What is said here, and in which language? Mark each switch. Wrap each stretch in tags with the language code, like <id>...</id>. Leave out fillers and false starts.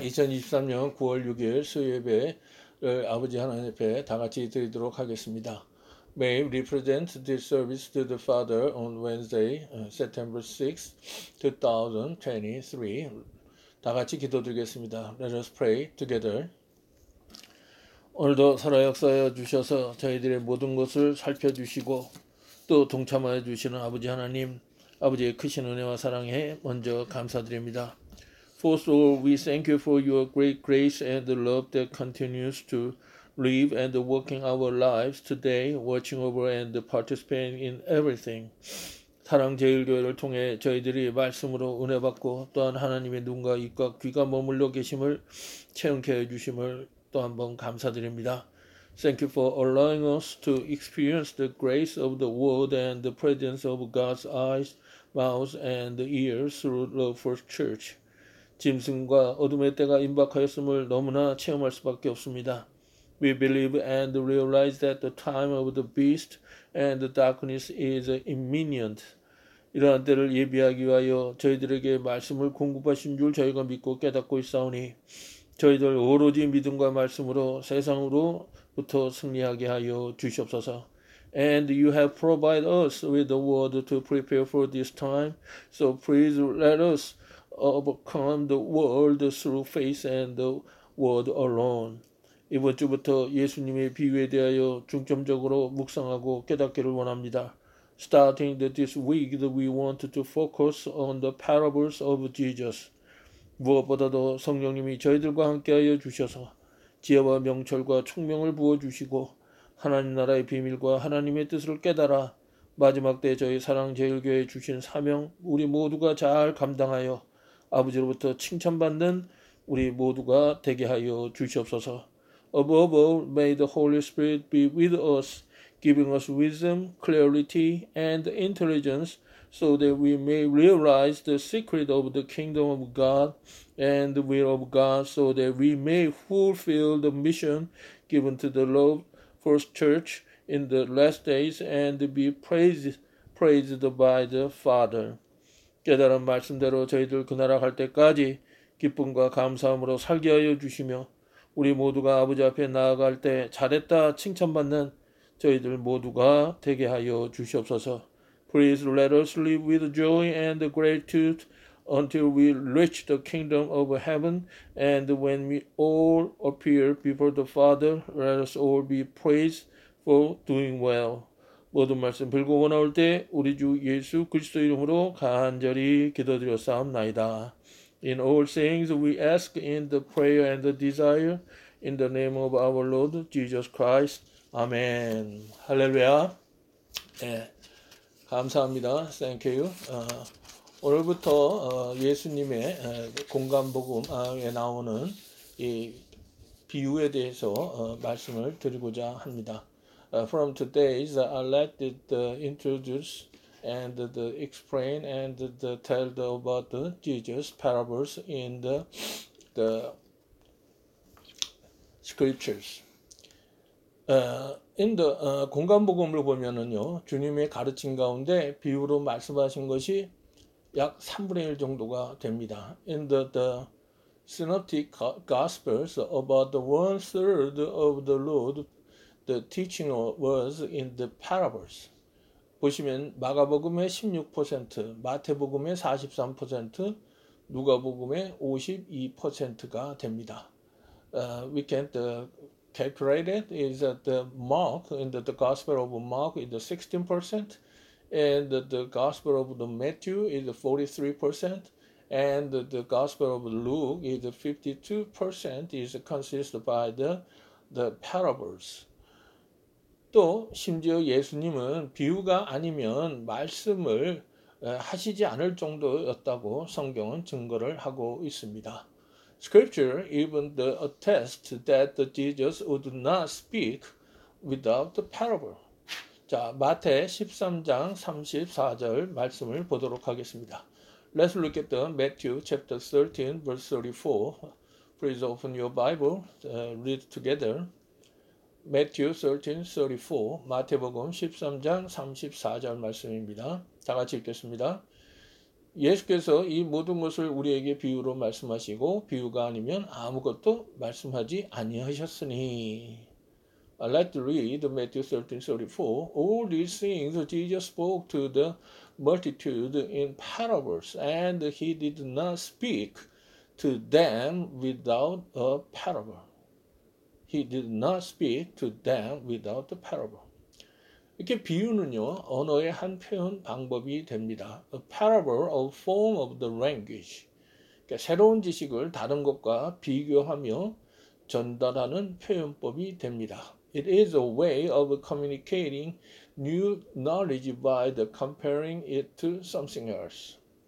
<ko>2023년 9월 6일 수요예배를 아버지 하나님 앞에 다 같이 드리도록 하겠습니다.</ko> <en>May we present this service to the Father on Wednesday, September 6, 2023.</en> <ko>다 같이 기도드리겠습니다.</ko> <en>Let us pray together.</en> <ko>오늘도 살아 역사하여 주셔서 저희들의 모든 것을 살펴주시고 또 동참하여 주시는 아버지 하나님, 아버지의 크신 은혜와 사랑에 먼저 감사드립니다.</ko> <en>First of all, we thank you for your great grace and the love that continues to live and work in our lives today, watching over and participating in everything.</en> <ko>사랑제일교회를 통해 저희들이 말씀으로 은혜 받고 또한 하나님의 눈과 입과 귀가 머물러 계심을 체험케 해주심을 또한번 감사드립니다.</ko> <en>Thank you for allowing us to experience the grace of the word and the presence of God's eyes, mouth, and ears through the first church.</en> <ko>짐승과 어둠의 때가 임박하였음을 너무나 체험할 수밖에 없습니다.</ko> <en>We believe and realize that the time of the beast and the darkness is imminent.</en> <ko>이러한 때를 예비하기 위하여 저희들에게 말씀을 공급하신 줄 저희가 믿고 깨닫고 있사오니 저희들 오로지 믿음과 말씀으로 세상으로부터 승리하게 하여 주시옵소서.</ko> <en>And you have provided us with the word to prepare for this time. So please let us overcome the world through faith and the word alone.</en> <ko>이번 주부터 예수님의 비유에 대하여 중점적으로 묵상하고 깨닫기를 원합니다.</ko> <en>Starting this week, we want to focus on the parables of Jesus.</en> <ko>무엇보다도 성령님이 저희들과 함께하여 주셔서 지혜와 명철과 총명을 부어주시고 하나님 나라의 비밀과 하나님의 뜻을 깨달아 마지막 때 저희 사랑제일교회에 주신 사명 우리 모두가 잘 감당하여 아버지로부터 칭찬받는 우리 모두가 되게 하여 주시옵소서.</ko> <en>Above all, may the Holy Spirit be with us, giving us wisdom, clarity, and intelligence so that we may realize the secret of the kingdom of God and the will of God so that we may fulfill the mission given to the Lord First Church in the last days and be praised by the Father.</en> <ko>깨달은 말씀대로 저희들 그 나라 갈 때까지 기쁨과 감사함으로 살게 하여 주시며 우리 모두가 아버지 앞에 나아갈 때 잘했다 칭찬받는 저희들 모두가 되게 하여 주시옵소서.</ko> <en>Please let us live with joy and gratitude until we reach the kingdom of heaven and when we all appear before the Father, let us all be praised for doing well.</en> <ko>모든 말씀 빌고 나올 때 우리 주 예수 그리스도 이름으로 간절히 기도드렸사옵나이다.</ko> <en>In all things we ask in the prayer and the desire in the name of our Lord Jesus Christ.</en> <ko>Amen. 할렐루야. 네, 감사합니다.</ko> <en>Thank you.</en> <ko>오늘부터 예수님의 공간복음에 나오는 이 비유에 대해서 말씀을 드리고자 합니다.</ko> <en>From today, I'll introduce and explain and tell about the Jesus parables in the scriptures. In the</en> <ko>공간복음을 보면은요, 주님의 가르침 가운데 비유로 말씀하신 것이 약 3분의 1 정도가 됩니다.</ko> <en>In the synoptic gospels, about the one third of the Lord. The teaching was in the parables.</en> <ko>보시면 마가복음의 16%, 마태복음의 43%, 누가복음의 52%가 됩니다.</ko> <en>We can calculate it is that the Mark in the Gospel of Mark is 16%, and the Gospel of the Matthew is 43%, and the Gospel of Luke is 52% is consisted by the parables.</en> <ko>또 심지어 예수님은 비유가 아니면 말씀을 하시지 않을 정도였다고 성경은 증거를 하고 있습니다.</ko> <en>Scripture even attests that Jesus would not speak without the parable.</en> <ko>자, 마태 13장 34절 말씀을 보도록 하겠습니다.</ko> <en>Let's look at the Matthew chapter 13 verse 34. Please open your Bible, read together. Matthew 13:34</en> <ko>마태복음 13장 34절 말씀입니다. 다 같이 읽겠습니다. 예수께서 이 모든 것을 우리에게 비유로 말씀하시고 비유가 아니면 아무것도 말씀하지 아니하셨으니.</ko> <en>Let's read Matthew 13:34. All these things Jesus spoke to the multitude in parables, and he did not speak to them without a parable. He did not speak to them without a parable.</en> <ko>이렇게 비유는요, 언어의 한 표현 방법이 됩니다.</ko> <en>A parable, a form of the language.</en> <ko>그러니까 새로운 지식을 다른 것과 비교하며 전달하는 표현법이 됩니다.</ko> <en>It is a way of communicating new knowledge by the comparing it to something else.</en>